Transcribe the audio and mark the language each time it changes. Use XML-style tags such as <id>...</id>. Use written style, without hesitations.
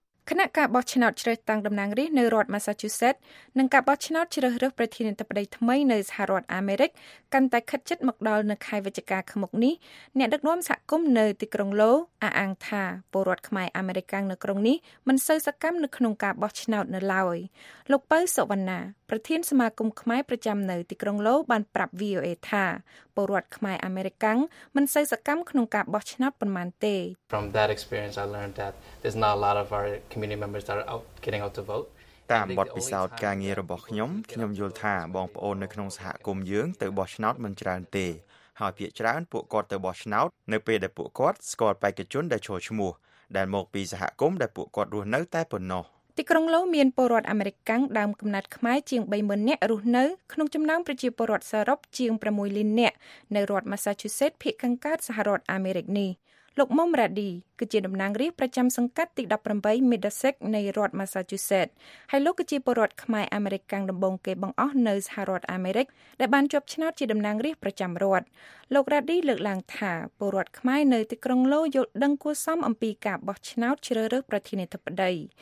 <km>គណៈការបោះឆ្នោតជ្រើសតាំងតំណាងរាស្ត្រនៅរដ្ឋ Massachusetts និងការបោះឆ្នោតជ្រើសរើសប្រធានាធិបតីថ្មីនៅសហរដ្ឋអាមេរិកកាន់តែខិតជិតមកដល់នៅខែវិច្ឆិកាខាងមុខនេះអ្នកដឹកនាំសហគមន៍នៅទីក្រុងឡូអាអាងថាពលរដ្ឋខ្មែរអាមេរិកាំងនៅក្រុងនេះមិនសូវសកម្មនៅក្នុងការបោះឆ្នោតនៅឡើយលោកប៉ៅសុវណ្ណាប្រធានសមាគមខ្មែរប្រចាំនៅទីក្រុងឡូបានប្រាប់ VOA ថាពលរដ្ឋខ្មែរអាមេរិកាំងមិនសូវសកម្មក្នុងការបោះឆ្នោតប៉ុន្មានទេ</km> <en>From that experience I learned that there's not a lot of our community members that are out getting out to vote</en> <km>តាមបទពិសោធន៍ការងាររបស់ខ្ញុំយល់ថាបងប្អូននៅក្នុងសហគមន៍យើងទៅបោះឆ្នោតមិនច្រើនទេហើយភាគច្រើនពួកគាត់ទៅបោះឆ្នោតនៅពេលដែលពួកគាត់ស្គាល់បេក្ខជនដែលចូលឈ្មោះដែលមកពីសហគមន៍ដែលពួកគាត់រស់នៅតែប៉ុណ្ណោះ ទីក្រុងឡូមានពលរដ្ឋអាមេរិកាំងដើមកំណើតខ្មែរជាង 30,000 នាក់រស់នៅក្នុងចំណោមប្រជាពលរដ្ឋសរុបជាង 6 លាននាក់នៅរដ្ឋ Massachusetts ភាគខាងកើតសហរដ្ឋអាមេរិកនេះលោកមុំរ៉ាឌីគឺជាតំណាងរាស្ត្រប្រចាំសង្កាត់ទី18 Middlesex នៃរដ្ឋ Massachusetts ហើយលោកគឺជាពលរដ្ឋខ្មែរអាមេរិកាំងដំបូងគេបង្អស់នៅសហរដ្ឋអាមេរិកដែលបានជាប់ឆ្នោតជាតំណាងរាស្ត្រប្រចាំរដ្ឋលោករ៉ាឌីលើកឡើងថាពលរដ្ឋខ្មែរនៅទីក្រុងឡូយល់ដឹងគួរសមអំពីការបោះឆ្នោតជ្រើសរើសប្រធានាធិបតី</km>